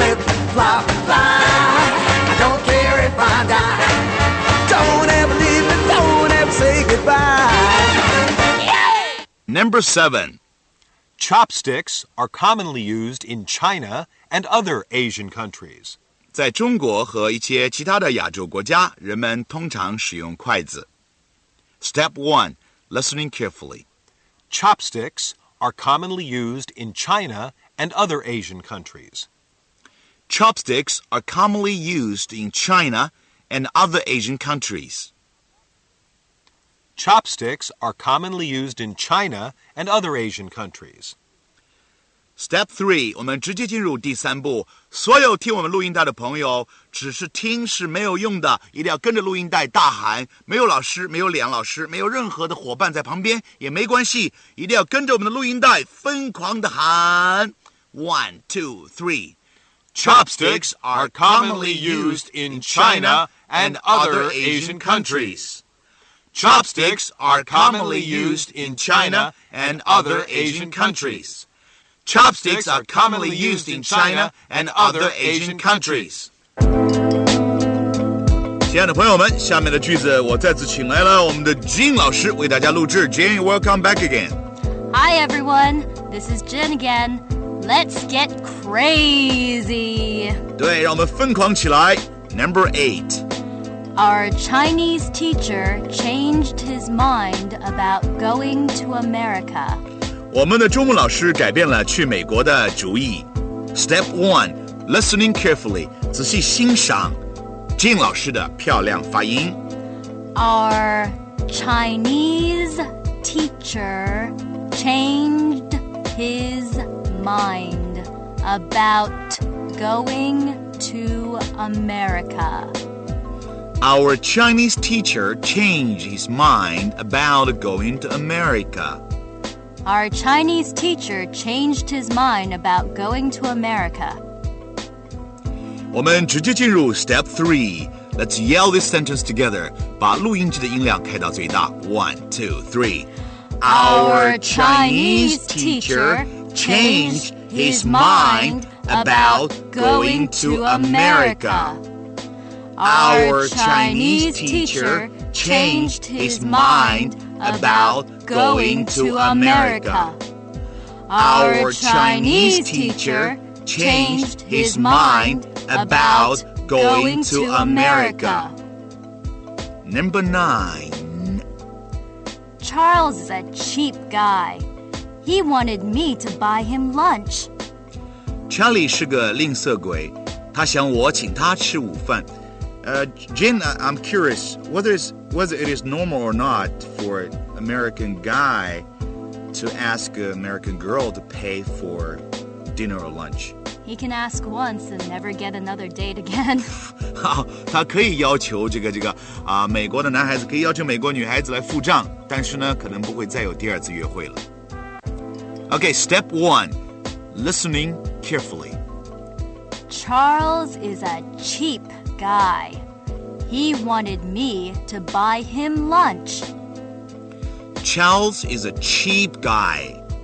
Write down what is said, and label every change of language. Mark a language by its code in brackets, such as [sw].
[en] Lip, flop, fly, I don't care if I die. Don't ever leave me, don't ever say goodbye. Number 7. Chopsticks are commonly used in China and other Asian countries. [zh] 在中国和一些其他的亚洲国家，人们通常使用筷子。 [en] Step 1. Listening carefully. Chopsticks are commonly used in China and other Asian countries. Chopsticks are commonly used in China and other Asian countries. Chopsticks are commonly used in China and other Asian countries. Step 3, [zh] 我们直接进入第三步。所有听我们录音带的朋友，只是听是没有用的，一定要跟着录音带大喊。没有老师，没有梁老师，没有任何的伙伴在旁边也没关系，一定要跟着我们的录音带疯狂的喊。 [en] One, two, three. Chopsticks are commonly used in China and other Asian countries. Chopsticks are commonly used in China and other Asian countries. Chopsticks are commonly used in China and other Asian countries. [zh] 亲爱的朋友们，下面的句子我再次请来了我们的 Jin 老师为大家录制。 [en] Jin, welcome back again. Hi everyone, this is Jin again. Let's get crazy. [zh] 对，让我们疯狂起来。 [en] Number 8. Our Chinese teacher changed his mind about going to America. [zh] 我们的中文老师改变了去美国的主意。 [en] Step 1. Listening carefully. [zh] 仔细欣赏 Jin 老师的漂亮发音。 [en] Our Chinese teacher changed his mind about going to America. Our Chinese teacher changed his mind about going to America. Our Chinese teacher changed his mind about going to America. [zh] 我们直接进入 [en] step 3. Let's yell this sentence together. [zh] 把录音机的音量开到最大. [en] 1, 2, 3. Our Chinese teacher changed his mind about going to America. Our Chinese teacher changed his mind about going to America. Our Chinese teacher changed his mind about going to America. Number 9. Charles is a cheap guy. He wanted me to buy him lunch. [zh] Charlie 是个吝啬鬼，他想我请他吃午饭。 [en] Jin, I'm curious whether it is normal or not for an American guy to ask an American girl to pay for dinner or lunch. He can ask once and never get another date again. [zh] 他可以要求这个美国的男孩子可以要求美国女孩子来付账，但是呢，可能不会再有第二次约会了。 [en] Okay, step 1, listening carefully. Charles is a cheap. Guy. He wanted me to buy him lunch. Charles is a cheap guy.